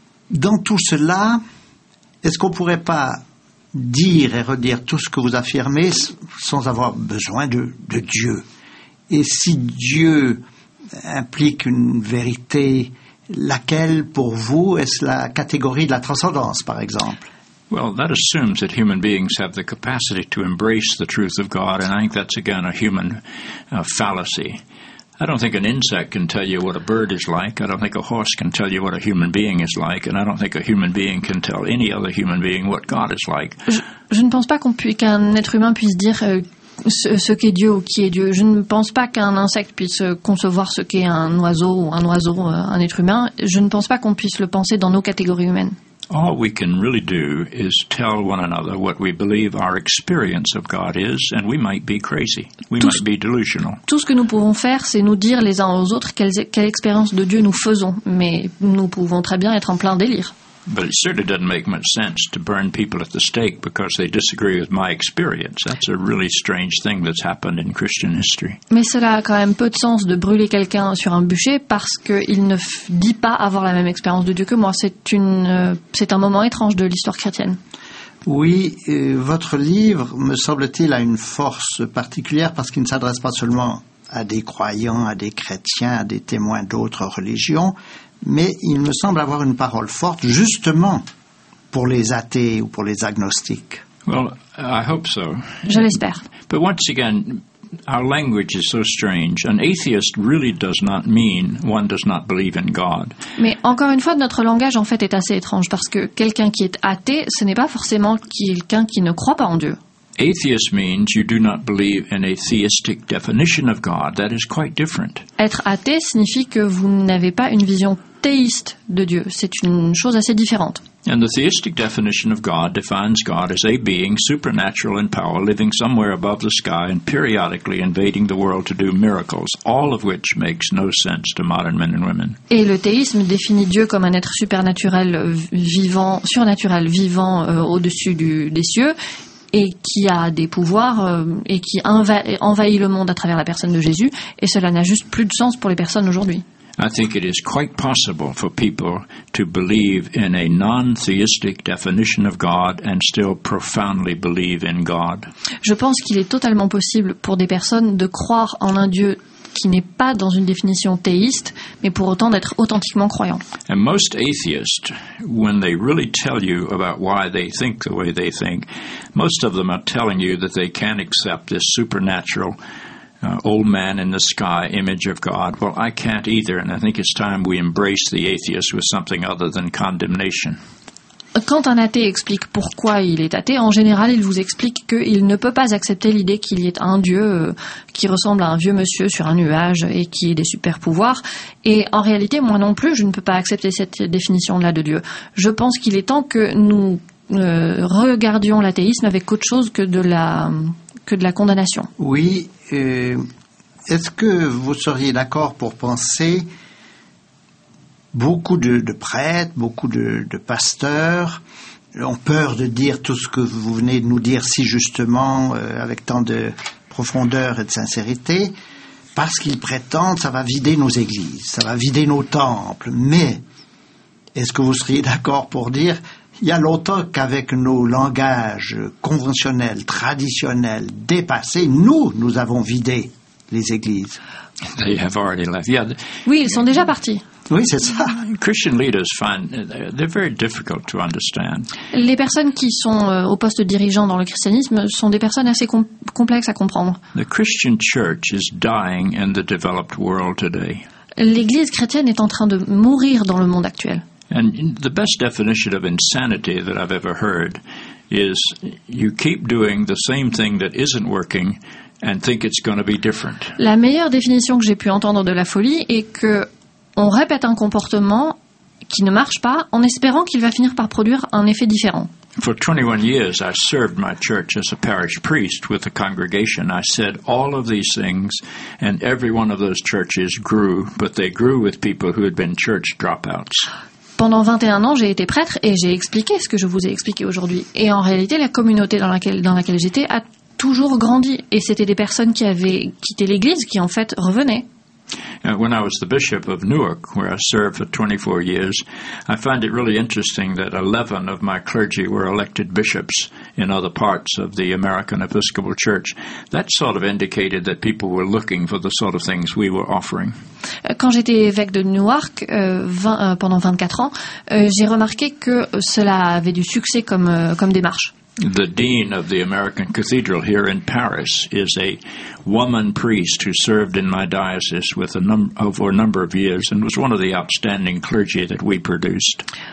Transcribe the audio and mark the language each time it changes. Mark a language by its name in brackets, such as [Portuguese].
[French] Dans tout cela, est-ce qu'on ne pourrait pas dire et redire tout ce que vous affirmez sans avoir besoin de Dieu ? Et si Dieu implique une vérité, laquelle pour vous est-ce la catégorie de la transcendance, par exemple? [English] Well, that assumes that human beings have the capacity to embrace the truth of God, and I think that's again a human fallacy. I don't think an insect can tell you what a bird is like. I don't think a horse can tell you what a human being is like. And I don't think a human being can tell any other human being what God is like. [French] Je ne pense pas qu'un être humain puisse dire ce qu'est Dieu ou qui est Dieu. Je ne pense pas qu'un insecte puisse concevoir ce qu'est un oiseau, un être humain. Je ne pense pas qu'on puisse le penser dans nos catégories humaines. [English] All we can really do is tell one another what we believe our experience of God is, and we might be crazy. We might be delusional. [French] Tout ce que nous pouvons faire, c'est nous dire les uns aux autres quelle expérience de Dieu nous faisons, mais nous pouvons très bien être en plein délire. [English] But it certainly doesn't make much sense to burn people at the stake because they disagree with my experience. That's a really strange thing that's happened in Christian history. [French] Mais cela a quand même peu de sens de brûler quelqu'un sur un bûcher parce qu'il ne dit pas avoir la même expérience de Dieu que moi. C'est un moment étrange de l'histoire chrétienne. Oui, votre livre, me semble-t-il, a une force particulière parce qu'il ne s'adresse pas seulement à des croyants, à des chrétiens, à des témoins d'autres religions. Mais il me semble avoir une parole forte, justement, pour les athées ou pour les agnostiques. [English] Well, I hope so. [French] Je l'espère. [English] But once again, our language is so strange. An atheist really does not mean one does not believe in God. [French] Mais encore une fois, notre langage en fait est assez étrange parce que quelqu'un qui est athée, ce n'est pas forcément quelqu'un qui ne croit pas en Dieu. [English] Atheist means you do not believe in a theistic definition of God. That is quite different. [French] Être athée signifie que vous n'avez pas une vision théiste de Dieu. C'est une chose assez différente. [English] And the theistic definition of God defines God as a being supernatural in power, living somewhere above the sky and periodically invading the world to do miracles, all of which makes no sense to modern men and women. [French] Et le théisme définit Dieu comme un être supernaturel, vivant, surnaturel, vivant au-dessus des cieux, et qui a des pouvoirs, et qui envahit le monde à travers la personne de Jésus, et cela n'a juste plus de sens pour les personnes aujourd'hui. [English] I think it is quite possible for people to believe in a non-theistic definition of God and still profoundly believe in God. [French] Je pense qu'il est totalement possible pour des personnes de croire en un Dieu qui n'est pas dans une définition théiste, mais pour autant d'être authentiquement croyant. [English] And most atheists, when they really tell you about why they think the way they think, most of them are telling you that they can't accept this supernatural old man in the sky image of God. Well, I can't either, and I think it's time we embrace the atheist with something other than condemnation. [French] Quand un athée explique pourquoi il est athée, en général, il vous explique qu'il ne peut pas accepter l'idée qu'il y ait un dieu qui ressemble à un vieux monsieur sur un nuage et qui ait des super pouvoirs. Et en réalité, moi non plus, je ne peux pas accepter cette définition-là de Dieu. Je pense qu'il est temps que nous regardions l'athéisme avec autre chose que de la condamnation. Oui. Est-ce que vous seriez d'accord pour penser beaucoup de prêtres, beaucoup de pasteurs ont peur de dire tout ce que vous venez de nous dire si justement, avec tant de profondeur et de sincérité, parce qu'ils prétendent que ça va vider nos églises, ça va vider nos temples. Mais est-ce que vous seriez d'accord pour dire, il y a longtemps qu'avec nos langages conventionnels, traditionnels, dépassés, nous avons vidé les églises. [English] They have already left. Yeah. [French] Oui, ils sont déjà partis. Oui, c'est ça. [English] Christian leaders find they're very difficult to understand. [French] Les personnes qui sont au poste dirigeant dans le christianisme sont des personnes assez complexes à comprendre. [English] The Christian church is dying in the developed world today. [French] L'église chrétienne est en train de mourir dans le monde actuel. [English] And the best definition of insanity that I've ever heard is you keep doing the same thing that isn't working and think it's going to be different. [French] La meilleure définition que j'ai pu entendre de la folie est que on répète un comportement qui ne marche pas en espérant qu'il va finir par produire un effet différent. [English] For 21 years, I served my church as a parish priest with a congregation. I said all of these things, and every one of those churches grew, but they grew with people who had been church dropouts. [French] Pendant 21 ans, j'ai été prêtre et j'ai expliqué ce que je vous ai expliqué aujourd'hui. Et en réalité, la communauté dans laquelle j'étais a toujours grandi. Et c'était des personnes qui avaient quitté l'église qui, en fait, revenaient. [English] When I was the bishop of Newark, where I served for 24 years, I find it really interesting that 11 of my clergy were elected bishops in other parts of the American Episcopal Church. That sort of indicated that people were looking for the sort of things we were offering. [French] Quand j'étais évêque de Newark pendant 24 ans, j'ai remarqué que cela avait du succès comme démarche. [English] The dean of the American Cathedral here in Paris is a woman priest who served in my diocese with a number of years and was one of the outstanding clergy that we produced.